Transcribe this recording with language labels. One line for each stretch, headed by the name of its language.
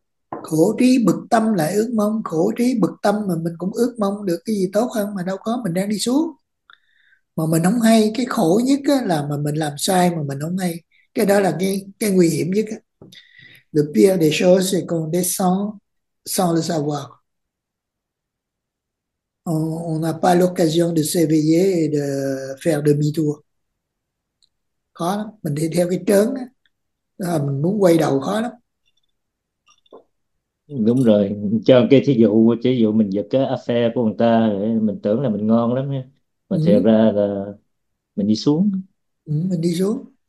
Vietnamese: Khổ trí bực tâm lại ước mong, khổ trí bực tâm mà mình cũng ước mong được cái gì tốt hơn mà đâu có, mình đang đi xuống. Mà mình không hay, cái khổ nhất là mà mình làm sai mà mình không hay. Cái đó là cái nguy hiểm nhất.
French: Le pire des choses c'est qu'on descend sans le savoir. On n'a pas l'occasion de s'éveiller et de faire demi-tour.
Vietnamese: Khó lắm, mình đi theo cái trớn á, mình muốn quay đầu khó lắm. đúng rồi, cho cái thí dụ mình giật cái affair của người ta để mình tưởng là mình ngon lắm nha, mà thiệt ra là mình đi xuống. Mình đi xuống.